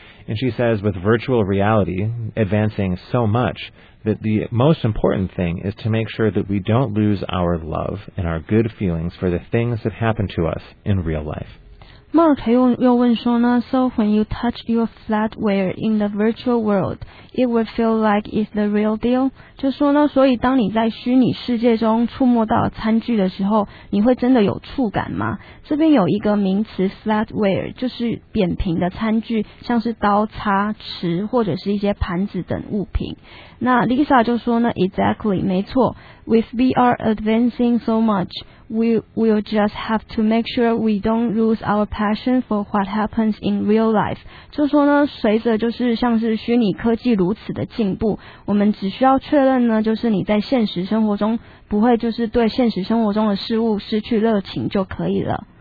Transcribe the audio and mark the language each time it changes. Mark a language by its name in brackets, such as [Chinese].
[English] And she says with virtual reality advancing so much that the most important thing is to make sure that we don't lose our love and our good feelings for the things that happen to us in real life. Mark [Chinese] 又问说呢, [English] so when you touch your flatware in the virtual world, it will feel like it's the real deal? [Chinese] 就说呢, 所以当你在虚拟世界中触摸到餐具的时候, 你会真的有触感吗? 这边有一个名词 flatware, 就是扁平的餐具, 像是刀叉, 匙, 或者是一些盘子等物品。那 Lisa 就说呢, [English] exactly, [Chinese] 没错, [English] with VR advancing so much, we will just have to make sure we don't lose our passion for what happens in real life. [Chinese] 就说呢, 随着就是像是虚拟科技如此的进步, 我们只需要确认呢, 就是你在现实生活中, 不会就是对现实生活中的事物失去热情就可以了。